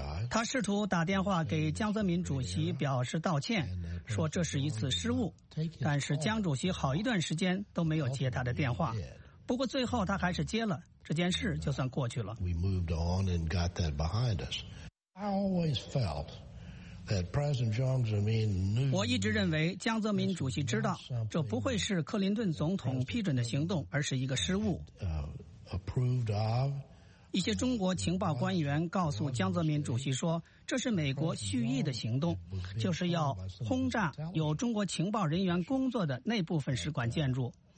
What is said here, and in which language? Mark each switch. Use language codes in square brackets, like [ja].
[zh] 他试图打电话给江泽民主席表示道歉，说这是一次失误，但是江主席好一段时间都没有接他的电话。不过最后他还是接了，这件事就算过去了。 [en] We moved on and got that behind us. I always felt that President Jiang Zemin knew. [zh] 我一直认为江泽民主席知道，这不会是克林顿总统批准的行动，而是一个失误。 [en] Approved of. [zh] 一些中国情报官员告诉江泽民主席说，这是美国蓄意的行动，就是要轰炸有中国情报人员工作的那部分使馆建筑。